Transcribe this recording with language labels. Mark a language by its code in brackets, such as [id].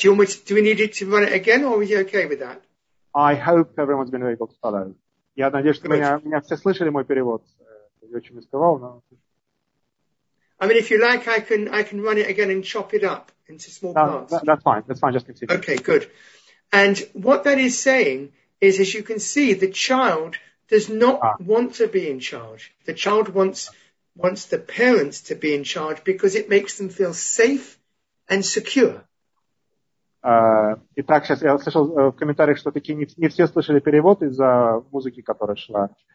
[en] Do we need to run it again, or were you okay with that? I hope everyone's been able to follow. [ru] Я надеюсь, что меня все слышали мой перевод. Я очень рисковал, но. [en] I mean, if you like, I can run it again and chop it up into small parts. That's fine. Just continue. Okay, good. And what that is saying is, as you can see, the child does not want to be in charge. The child wants the parents to be in charge because it makes them feel safe and secure. [ru] Итак, сейчас я слышал в комментариях, что такие не все слышали перевод из-за музыки, которая шла.